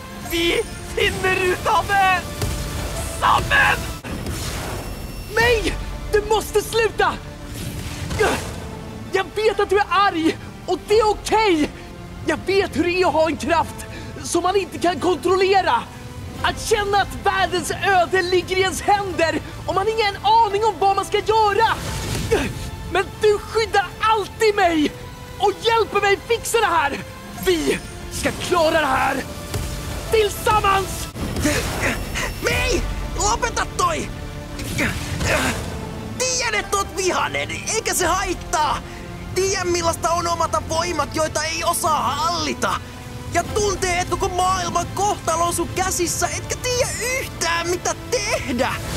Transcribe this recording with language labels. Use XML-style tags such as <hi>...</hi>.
<no>Vi finner ut av det sammen. Nei, du måtte slutte. Jeg vet at du er arg og det er ok. Jeg vet hvordan jeg har en kraft som man ikke kan kontrollere.</no> <sv>Att känna att världens öde ligger i ens händer och man har ingen aning om vad man ska göra. Men du skyddar alltid mig och hjälper mig fixa det här. Vi ska klara det här tillsammans.</sv> <fi>Nej, lopeta toi. Tiedät oot vihanen, eikä se haittaa. Tiedän millaista on omata voimat, joita ei osaa hallita. Ja tunteet, kun maailman kohtalo on sun käsissä, etkä tiedä yhtään mitä tehdä.</fi>